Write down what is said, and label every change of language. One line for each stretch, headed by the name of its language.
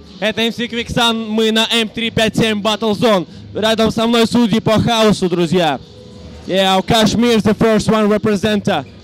Russian: Это MC Quicksand, мы на M357 Battle Zone. Рядом со мной судьи по хаосу, друзья.
English: Yeah, Kashmir is the first one representer.